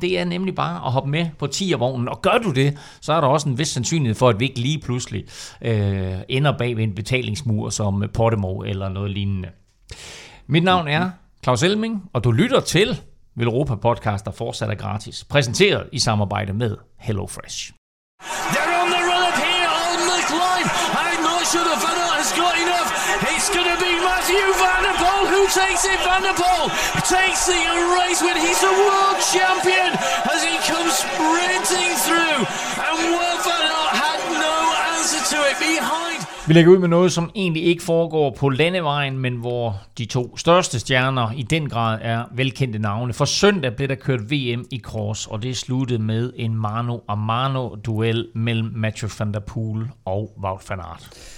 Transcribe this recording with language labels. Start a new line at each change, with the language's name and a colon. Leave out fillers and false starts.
Danish: Det er nemlig bare at hoppe med på tiervognen, og gør du det, så er der også en vis sandsynlighed for, at vi ikke lige pludselig ender bag ved en betalingsmur som Podimo eller noget lignende. Mit navn er Claus Elming, og du lytter til Veluropa Podcast, der fortsat er gratis, præsenteret i samarbejde med HelloFresh.
English: They're on the run up here, almost live. I'm not sure the Van Aert has got enough. It's going to be Matthew Van der Poel who takes it. Van der Poel takes the race when he's a world champion as he comes sprinting through. And Wout Van Aert had no answer to it behind.
Danish: Vi lægger ud med noget, som egentlig ikke foregår på landevejen, men hvor de to største stjerner i den grad er velkendte navne. For søndag blev der kørt VM i cross, og det sluttede med en mano a mano duel mellem Mathieu van der Poel og Wout van Aert.